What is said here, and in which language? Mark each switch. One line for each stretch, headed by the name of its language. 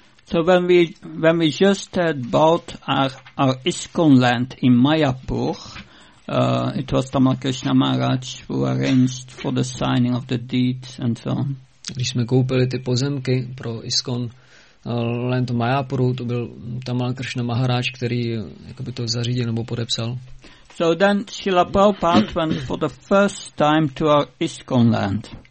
English: So when we just had bought our ISKCON land in Mayapur, it was Tamal Krishna Maharaj who arranged for the signing of the deeds and so on.
Czech: Když jsme koupili ty pozemky pro ISKCON Land Mayapuru, to byl Tamal Krishna Maharaj, který jakoby to zařídil nebo podepsal.
English: So then Srila Prabhupada went for the first time to our ISKCON land.